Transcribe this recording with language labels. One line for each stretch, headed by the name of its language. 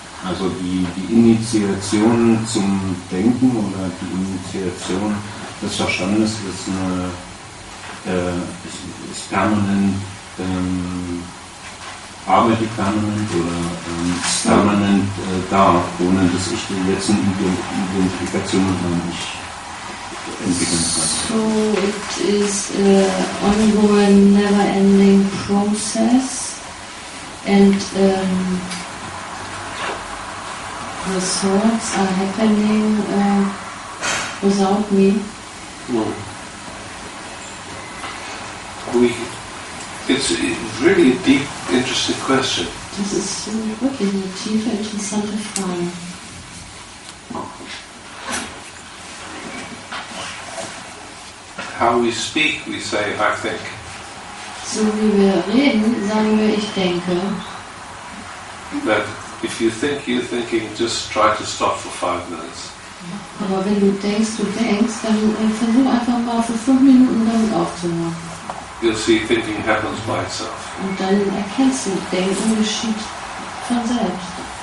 German: Also die Initiation zum Denken oder die Initiation des Verstandes ist, ist permanent, arbeitet permanent oder ist permanent da, ohne dass ich die letzten Identifikationen dann nicht.
English: So it is an ongoing, never-ending process, and the thoughts are happening without me. No. It's a really deep, interesting question. This is really a deep, interesting question. How we speak, we say, I think.
German: So wie wir reden, sagen wir, ich denke.
English: But if you think you're thinking, just try to stop for 5 minutes.
German: Aber wenn du denkst, dann versuch einfach mal für 5 Minuten damit aufzuhören.
English: You'll see thinking happens by itself.
German: Und dann erkennst du, Denken geschieht von selbst.